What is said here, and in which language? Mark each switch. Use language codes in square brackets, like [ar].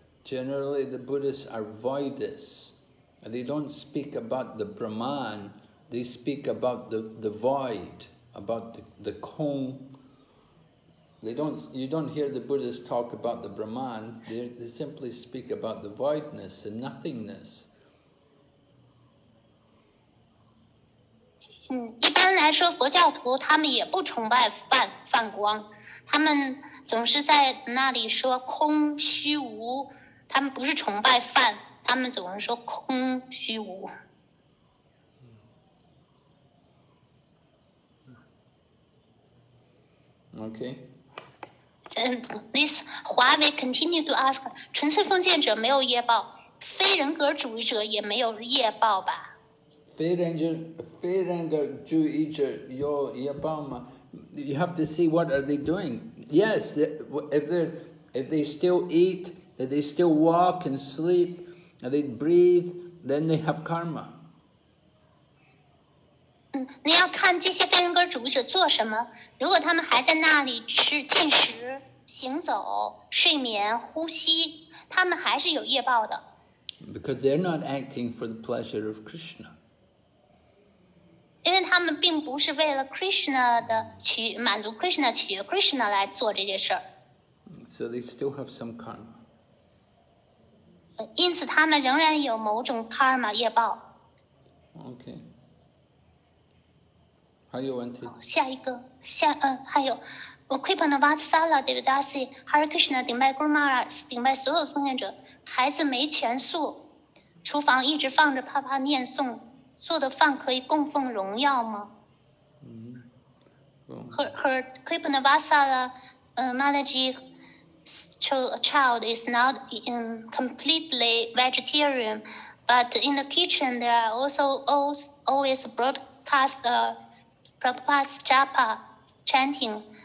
[en] Generally, the Buddhists are voidists. They don't speak about the Brahman, they speak about the void, about the kong. You don't hear the Buddhists talk about the Brahman, they simply speak about the voidness, the nothingness. [zh] 一般来说佛教徒他们也不崇拜梵光，他们总是在那里说空虚无，他们不是崇拜梵，他们总是说空虚无。 [en] Okay. This Huawei continue to ask, [zh] 纯粹奉献者没有业报，非人格主义者也没有业报吧？非人格主义者有业报吗？ [en] You have to see what are they doing. Yes, if they still eat, if they still walk and sleep, and they breathe, then they have karma. [zh] 你要看这些非人格主义者做什么。如果他们还在那里吃、进食、行走、睡眠、呼吸，他们还是有业报的。 [en] Because they're not acting for the pleasure of Krishna. [zh] 因为他们并不是为了 Krishna 的满足 Krishna 取悦 Krishna 来做这件事儿。 [en] So they still have some karma. [zh] 因此他们仍然有某种 karma 业报。 [en] Okay. [zh] 还有问题？下一个，还有，我 Kripana Vatsala Devadasi Hare Krishna 顶拜 Guru Maharaj 顶拜所有奉献者，孩子没全素，厨房一直放着啪啪念诵。做的饭可以供奉荣耀吗？ [en] Her Kripana Vatsala Mataji child is not completely vegetarian, But in the kitchen, there are also always broadcast Prabhupada's japa chanting.